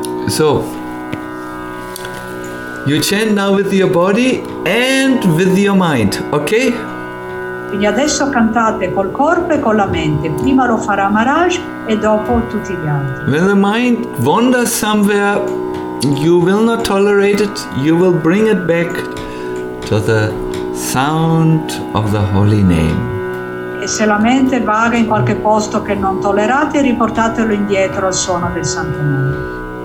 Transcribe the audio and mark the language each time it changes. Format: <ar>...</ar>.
<en>So, you chant now with your body and with your mind, okay?</en> <it>Quindi adesso cantate col corpo e con la mente. Prima lo farà Maharaj e dopo tutti gli altri.</it> <en>When the mind wanders somewhere, you will not tolerate it. You will bring it back to the sound of the holy name.</en> <it>E se la mente vaga in qualche posto che non tollerate, riportatelo indietro al suono del santo nome.</it>